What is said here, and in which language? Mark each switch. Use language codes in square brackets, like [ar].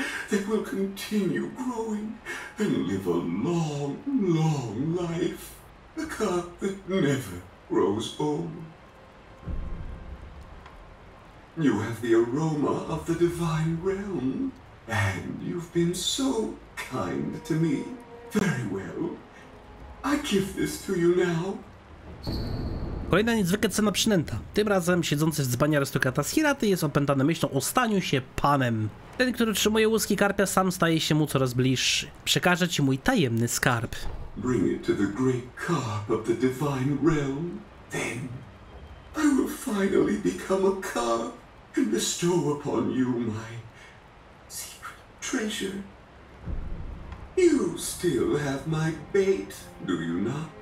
[en] That will continue growing and live a long, long life. A carp that never grows old. You have the aroma of the divine realm. And you've been so kind to me. Very well. I give this to you now. [pl] Kolejna niezwykle cenna przynęta. Tym razem siedzący w dzbanie arystokrata z Hiraty jest opętany myślą o staniu się panem. Ten, który trzymuje łuski karpia, sam staje się mu coraz bliższy. Przekażę ci mój tajemny skarb. [en] Bring it to the great carp of the divine realm. Then I will finally become a carp and bestow upon you my secret treasure. You still have my bait, do you not?